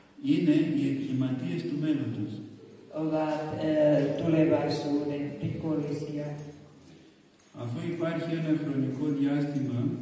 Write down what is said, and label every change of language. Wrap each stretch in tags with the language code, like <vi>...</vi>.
<el>Είναι οι εγκληματίες του μέλλοντος.</el> <fi>Ovat tulevaisuuden rikollisia.</fi> <el>Αφού υπάρχει ένα χρονικό διάστημα,</el>